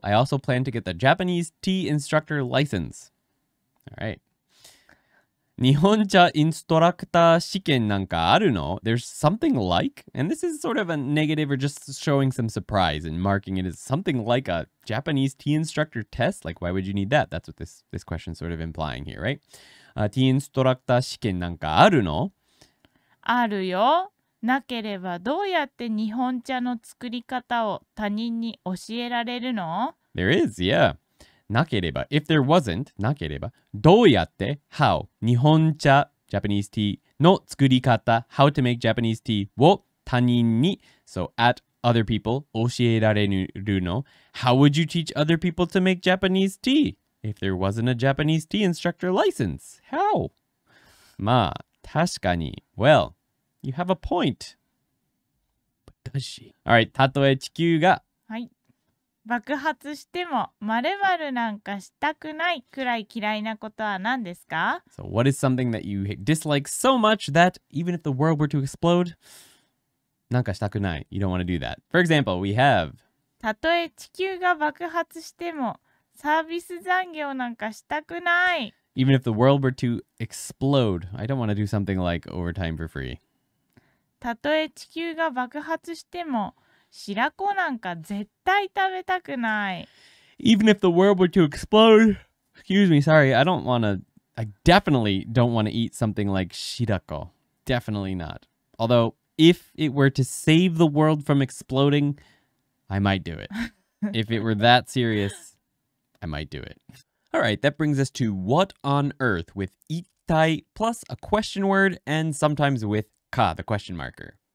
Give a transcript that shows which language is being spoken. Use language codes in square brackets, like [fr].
[en] I also plan to get the Japanese tea instructor license. Alright. [ja] 日本茶インストラクター試験なんかあるの? [en] There's something like, and this is sort of a negative or just showing some surprise and marking it as something like a Japanese tea instructor test. Like, why would you need that? That's what this question is sort of implying here, right? Tea instructor [ja] 試験なんかあるの? あるよ。なければどうやって日本茶の作り方を他人に教えられるの? [en] There is, yeah. なければ if there wasn't [ja] なければどうやって [en] how 日本茶 Japanese tea [ja] の作り方 [en] how to make Japanese tea [ja] を他人に [en] so at other people [ja] 教えられるの [en] how would you teach other people to make Japanese tea if there wasn't a Japanese tea instructor license how [ja] まあ確かに [en] well you have a point but does she all right [ja] たとえ地球がはい爆発しても〇〇なんかしたくないくらい嫌いなことは何ですか? [en] So what is something that you dislike so much that even if the world were to explode, [ja] なんかしたくない? [en] You don't want to do that. For example, we have... [ja] たとえ地球が爆発してもサービス残業なんかしたくない。 [en] Even if the world were to explode, I don't want to do something like overtime for free. [ja] たとえ地球が爆発しても白子なんか絶対食べたくない。 [en] Even if the world were to explode, excuse me, sorry, I don't wanna, I definitely don't wanna eat something like 白子. Definitely not. Although, if it were to save the world from exploding, I might do it. If it were that serious, I might do it. Alright, that brings us to what on earth with いったい plus a question word and sometimes with か, the question marker.